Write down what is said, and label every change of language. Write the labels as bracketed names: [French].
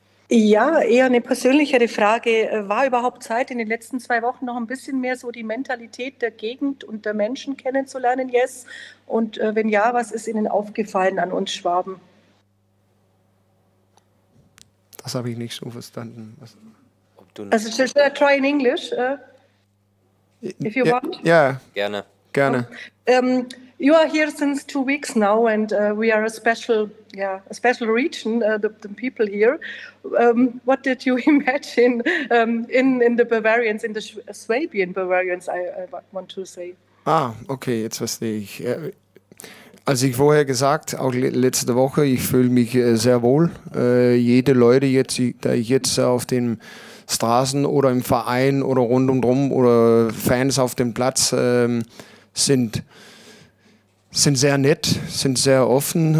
[German] Ja, eher eine persönlichere Frage. War überhaupt Zeit, in den letzten 2 Wochen noch ein bisschen mehr so die Mentalität der Gegend und der Menschen kennenzulernen, Jess? Und wenn ja, was ist Ihnen aufgefallen an uns Schwaben? Das habe ich nicht so verstanden. [English] Also, should I try in English? If you want? Ja, yeah. [German] Gerne. Gerne. [English] You are here since 2 weeks now, and we are a special region, the people here. What did you imagine in the Bavarians, in the Swabian Bavarians, I want to say? [German] Ah, okay, jetzt verstehe ich. Als ich vorher gesagt, auch letzte Woche, ich fühle mich sehr wohl. Jede Leute, jetzt, da ich jetzt auf dem Straßen oder im Verein oder rundum drum oder Fans auf dem Platz sind sehr nett, sind sehr offen.